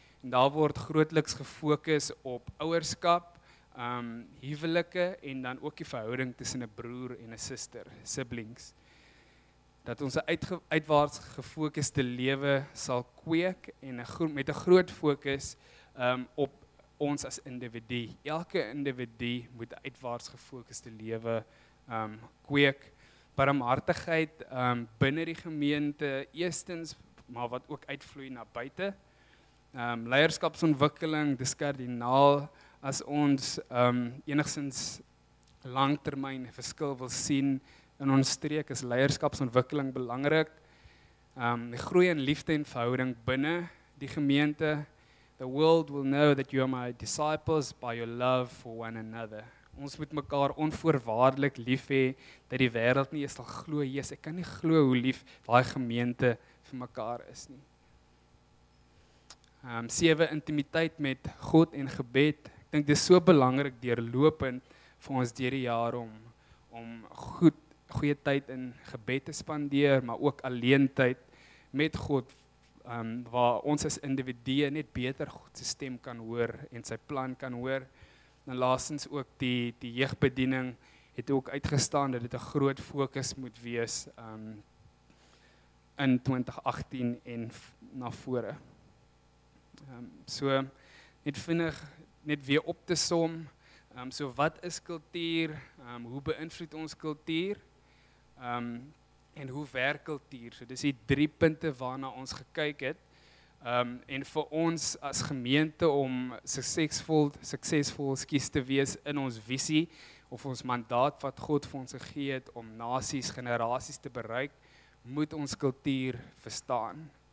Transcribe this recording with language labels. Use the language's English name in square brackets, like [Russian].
[Afrikaans] En daar word grootliks gefokus op ouerskap, huwelike en dan ook die verhouding tussen 'n broer en 'n suster, siblings. Dat ons 'n uitwaarts gefokuste lewe sal kweek en met 'n groot fokus op ons as individu. Elke individu moet 'n uitwaarts gefokuste lewe kweek. Barmhartigheid binne die gemeente eerstens, maar wat ook uitvloei na buite. Leierskapsontwikkeling, dis kardinaal as ons enigszins langtermyn verskil wil sien in ons streek, is leierskapsontwikkeling belangrik. Die groei in liefde en verhouding binne die gemeente. [English] The world will know that you are my disciples by your love for one another. [Afrikaans] Ons moet mekaar onvoorwaardelik lief hê, dat die wêreld nie eens sal glo, Jesus, ek kan nie glo hoe lief daai gemeente vir mekaar is nie. 7, intimiteit met God en gebed. Ek dink dis so belangrik deurlopend vir ons deur die jaar om goeie tyd in gebed te spandeer, maar ook alleen tyd met God, waar ons as individue net beter God se stem kan hoor en sy plan kan hoor. En laastens ook die jeugbediening het ook uitgestaan dat dit 'n groot fokus moet wees in 2018 en na vore. So net vinnig net weer op te som. So wat is kultuur? Hoe beïnvloed ons kultuur? En hoe werk kultuur? So dis die drie punte waarna ons gekyk het. En vir ons as gemeente om suksesvol te wees in ons visie of ons mandaat wat God vir ons gegee het om nasies, generasies te bereik, moet ons kultuur verstaan.